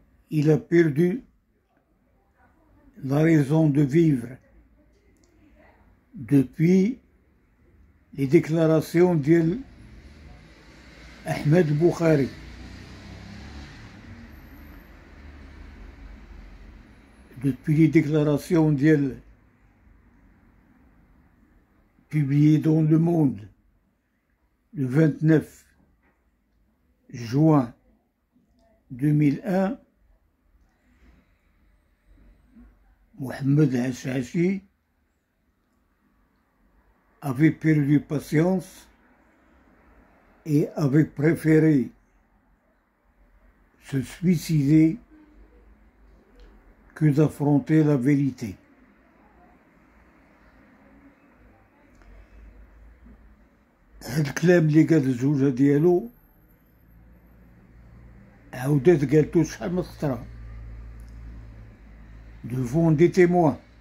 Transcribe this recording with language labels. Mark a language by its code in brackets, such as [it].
[fr] il a perdu la raison de vivre depuis les déclarations de Ahmed Boukhari. Depuis les déclarations d'elle publiées dans Le Monde le 29 juin 2001, محمد العشاشي avait perdu patience et avait préféré se suicider que d'affronter la vérité. [ar] هاد الكلام اللي قال الزوجة ديالو عاودات قالتو شحال من خطرة devant des témoins.